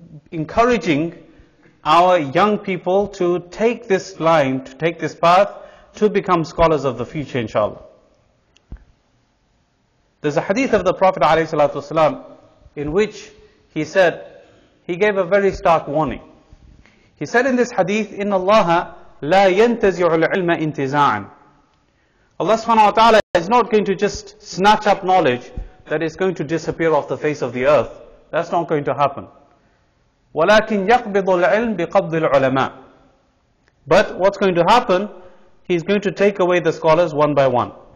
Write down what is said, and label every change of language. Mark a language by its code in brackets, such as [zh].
[en] encouraging our young people to take this line, to take this path, to become scholars of the future, inshallah. There's a hadith of the Prophet ﷺ in which he said, he gave a very stark warning. He said in this hadith, [ar] إِنَّ اللَّهَ لَا يَنْتَزِعُ الْعِلْمَ إِنْتِزَاعًا. [en] Allah subhanahu wa ta'ala is not going to just snatch up knowledge that is going to disappear off the face of the earth. That's not going to happen. [ar] وَلَكِنْ يَقْبِضُ الْعِلْمِ بِقَبْضِ الْعُلَمَاءِ. [en] But what's going to happen, he's going to take away the scholars one by one.